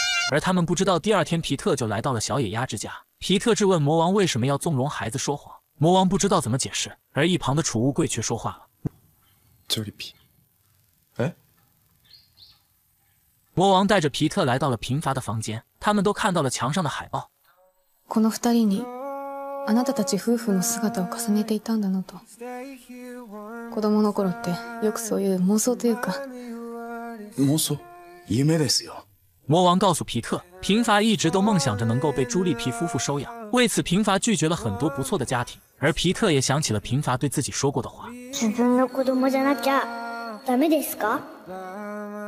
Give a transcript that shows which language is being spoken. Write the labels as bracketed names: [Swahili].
[Chinese] 而他们不知道，第二天皮特就来到了小野鸭之家。皮特质问魔王为什么要纵容孩子说谎，魔王不知道怎么解释，而一旁的储物柜却说话了：“ 这里皮，魔王带着皮特来到了贫乏的房间，他们都看到了墙上的海报。 [Japanese] この二人にあなたたち夫婦の姿を重ねていたんだなと。子供の頃ってよくそういう妄想というか。妄想、夢ですよ。 [Chinese] 魔王告诉皮特，贫乏一直都梦想着能够被朱莉皮夫妇收养，为此贫乏拒绝了很多不错的家庭。而皮特也想起了贫乏对自己说过的话： [Japanese] 自分の子供じゃなきゃダメですか？